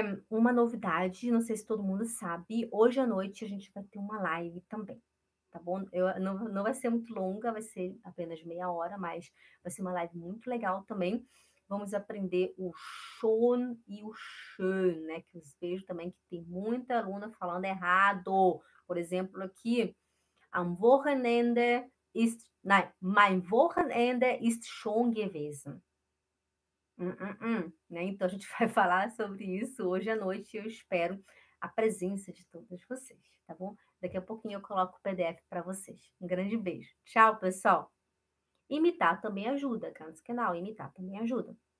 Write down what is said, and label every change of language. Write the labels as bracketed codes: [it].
[pt] Uma novidade, não sei se todo mundo sabe, hoje à noite a gente vai ter uma live também, tá bom? Não vai ser muito longa, vai ser apenas meia hora, mas vai ser uma live muito legal também. Vamos aprender o schon e o schön, né? Que eu vejo também que tem muita aluna falando errado. [de] Por exemplo, aqui, am Wochenende ist, nein, mein Wochenende ist schon gewesen. [pt] Né? Então, a gente vai falar sobre isso hoje à noite e eu espero a presença de todos vocês, tá bom? Daqui a pouquinho eu coloco o PDF para vocês. Um grande beijo. Tchau, pessoal. Imitar também ajuda, [de] ganz genau, [pt] imitar também ajuda.